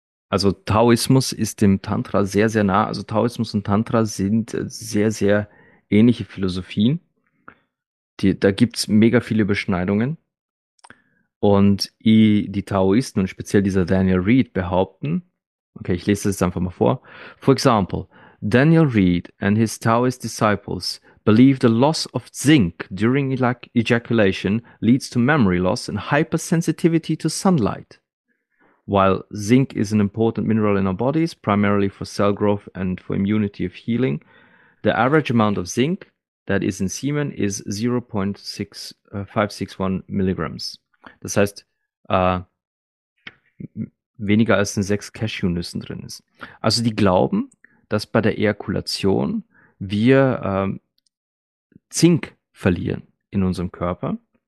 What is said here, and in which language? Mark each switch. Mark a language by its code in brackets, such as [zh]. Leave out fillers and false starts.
[de] Also Taoismus ist dem Tantra sehr, sehr nah. Also Taoismus und Tantra sind sehr, sehr ähnliche Philosophien. Da gibt es mega viele Überschneidungen. Und die Taoisten und speziell dieser Daniel Reed behaupten, okay, ich lese das jetzt einfach mal vor. [en] For example, Daniel Reed and his Taoist disciples believe the loss of zinc during ejaculation leads to memory loss and hypersensitivity to sunlight. While zinc is an important mineral in our bodies, primarily for cell growth and for immunity of healing, the average amount of zinc that is in semen is 0,6561 Milligrams. [de] Das heißt, weniger als in 6 Cashewnüssen drin ist. Also die glauben, dass bei der Ejakulation wir Zink verlieren in unserem Körper.